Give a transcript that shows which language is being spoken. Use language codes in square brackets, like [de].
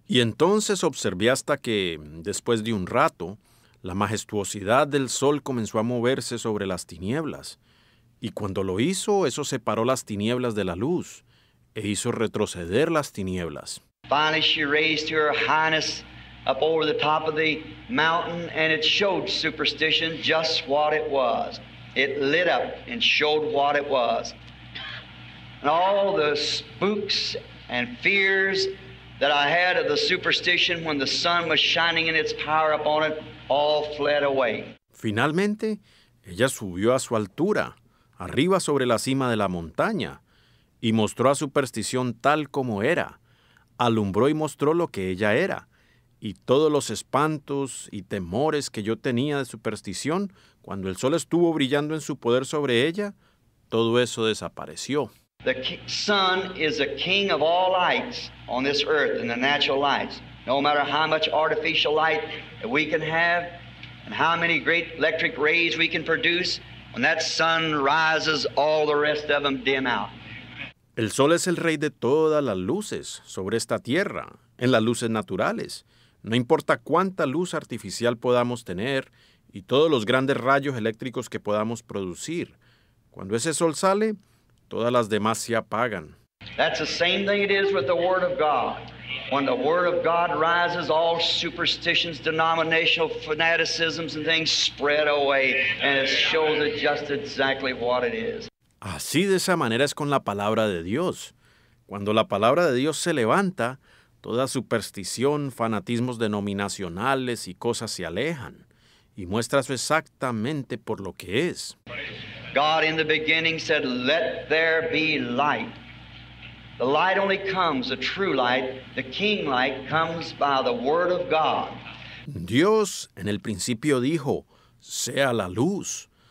[es] Y entonces observé hasta que, después de un rato, la majestuosidad del sol comenzó a moverse sobre las tinieblas. Y cuando lo hizo, eso separó las tinieblas de la luz e hizo retroceder las tinieblas. [en] Finally, she raised her highness up over the top of the mountain, and it showed superstition just what it was. It lit up and showed what it was. And all the spooks and fears that I had of the superstition when the sun was shining in its power upon it, all fled away. [es] Finalmente, ella subió a su altura, arriba sobre la cima de la montaña, y mostró a superstición tal como era. Alumbró y mostró lo que ella era, y todos los espantos y temores que yo tenía de superstición, cuando el sol estuvo brillando en su poder sobre ella, todo eso desapareció. [en] The sun is a king of all lights on this earth and the natural lights. No matter how much artificial light that we can have and how many great electric rays we can produce, when that sun rises, all the rest of them dim out. [es] El sol es el rey de todas las luces sobre esta tierra, en las luces naturales. No importa cuánta luz artificial podamos tener y todos los grandes rayos eléctricos que podamos producir. Cuando ese sol sale, todas las demás se apagan. [en] That's the same thing it is with the Word of God. When the word of God rises, all superstitions, denominational fanaticisms and things spread away, and it shows it just exactly what it is. [es] Así de esa manera es con la palabra de Dios. Cuando la palabra de Dios se levanta, toda superstición, fanatismos denominacionales y cosas se alejan y muestra eso exactamente por lo que es. [en] God in the beginning said, "Let there be light." The light only comes, the true light, the king light, comes by the word of God. [es] Dios en el principio dijo, sea la luz.